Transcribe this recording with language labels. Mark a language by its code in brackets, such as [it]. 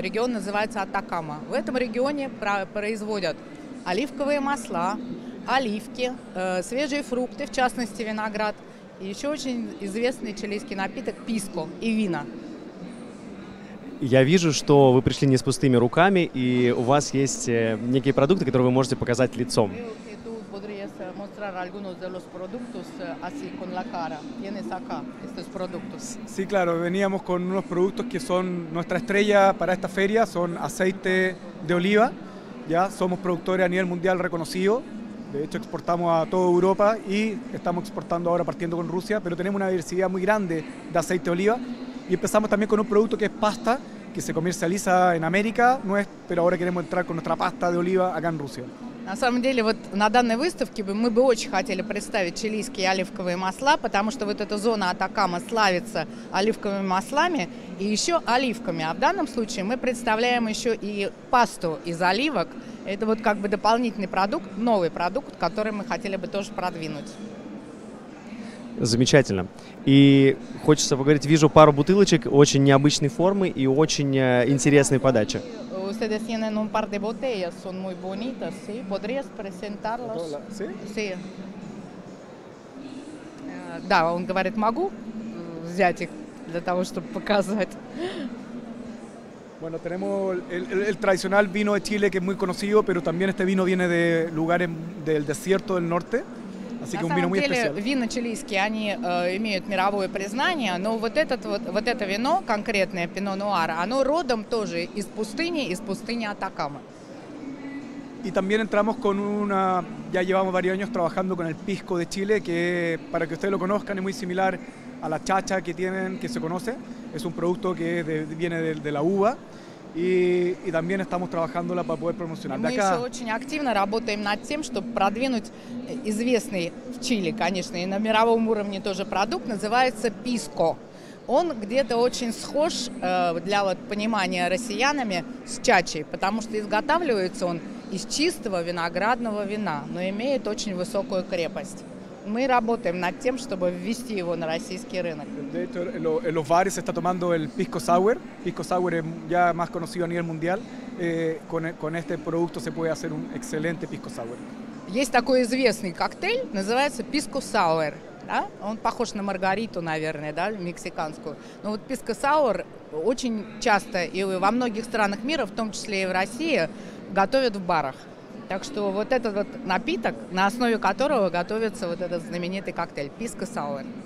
[ru] Регион называется Атакама. В этом регионе производят оливковые масла, оливки, свежие фрукты, в частности виноград, и еще очень известный чилийский напиток писко и вина. Я вижу, что вы пришли не с пустыми руками, и у вас есть некие продукты, которые вы можете показать лицом. [es] Mostrar algunos de los productos así con la cara. ¿Tienes acá estos productos? Sí, claro, veníamos con unos productos que son nuestra estrella para esta feria, son aceite de oliva, ya somos productores a nivel mundial reconocido, de hecho exportamos a toda Europa y estamos exportando ahora partiendo con Rusia, pero tenemos una diversidad muy grande de aceite de oliva y empezamos también con un producto que es pasta, que se comercializa en América, no es, pero ahora queremos entrar con nuestra pasta de oliva acá en Rusia. [ru] На самом деле, вот на данной выставке мы бы очень хотели представить чилийские оливковые масла, потому что вот эта зона Атакама славится оливковыми маслами и еще оливками. А в данном случае мы представляем еще и пасту из оливок. Это вот как бы дополнительный продукт, новый продукт, который мы хотели бы тоже продвинуть. Замечательно. И хочется поговорить, вижу пару бутылочек очень необычной формы и очень интересной подачи. [es] Ustedes tienen un par de botellas, son muy bonitas, ¿sí? ¿Podrías presentarlas? ¿Sí? Sí. [ru] Да, он говорит, могу взять их для того, чтобы показать. [es] Bueno, tenemos el tradicional vino de Chile, que es muy conocido, pero también este vino viene de lugares del desierto del norte. Así que un vino muy especial. [ru] Вина чилийские, они имеют мировое признание, но вот этот вот это вино конкретное, Пино Нуар, оно родом тоже из пустыни Атакама. [es] Y también entramos con una, ya llevamos varios años trabajando con el pisco de Chile, que para que ustedes lo conozcan es muy similar a la chacha que tienen, que se conoce. Es un producto que viene de la uva. [ru] И [es] también estamos trabajando la para poder promocionar. [ru] Мы еще очень активно работаем над тем, чтобы продвинуть известный в Чили, конечно, и на мировом уровне тоже продукт, называется писко. Он где-то очень схож для вот понимания россиянами с чачей, потому что изготавливается он из чистого виноградного вина, но имеет очень высокую крепость. Мы работаем над тем, чтобы ввести его на российский рынок. [es] De hecho, en los bares se está tomando el pisco sour. Pisco sour es ya más conocido a nivel mundial. Con este producto se puede hacer un excelente pisco sour. [ru] Есть такой известный коктейль, называется pisco sour. Да? Он похож на маргариту, наверное, да, мексиканскую. Но вот pisco sour очень часто и во многих странах мира, в том числе и в России, готовят в барах. Так что вот этот вот напиток, на основе которого готовится вот этот знаменитый коктейль Pisco Sour.